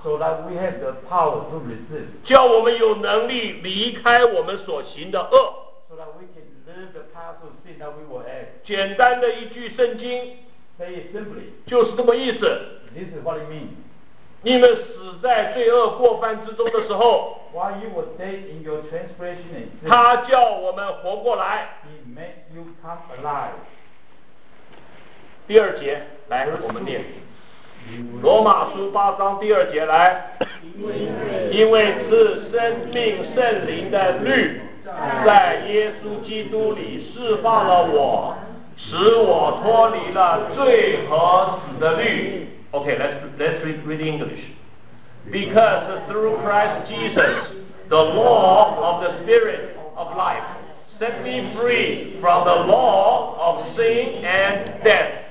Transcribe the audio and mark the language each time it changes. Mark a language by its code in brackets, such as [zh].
[en] so that we have the power to resist. [zh] 叫我们有能力离开我们所行的恶， [en] so that we can live the path of sin that we were at. [zh] 简单的一句圣经， [en] say it simply. [zh] 就是这么意思。 [en] This is what it means. [zh] 你们死在罪恶过犯之中的时候， [en] While you were dead in your transgression, [zh] 他叫我们活过来。 [en] He made you come alive. [zh] 第二节，来，我们念。罗马书八章第二节，来。因为赐生命圣灵的律，在耶稣基督里释放了我，使我脱离了罪和死的律。 [en] Okay, let's read English. Because through Christ Jesus, the law of the Spirit of life set me free from the law of sin and death.